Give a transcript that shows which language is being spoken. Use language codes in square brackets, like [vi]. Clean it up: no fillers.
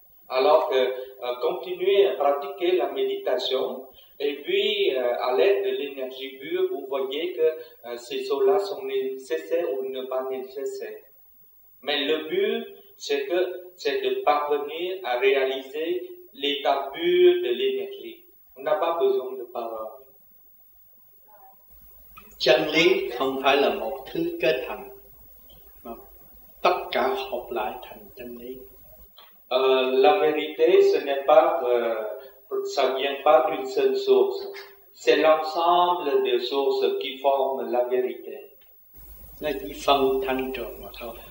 [fr] Alors que continuez à pratiquer la méditation et puis à l'aide de l'énergie pure, vous voyez que ces choses-là sont nécessaires ou ne pas nécessaires. Mais le but, c'est de parvenir à réaliser l'état pur de l'énergie. On n'a pas besoin de paroles. [vi] Chân lý không phải là một thứ cơ thành, mà tất cả hợp lại thành chân lý. [fr] La vérité, ce n'est pas, ça vient pas d'une seule source. C'est l'ensemble des sources qui forment la vérité. [vi] Là chỉ phân thành trường mà thôi.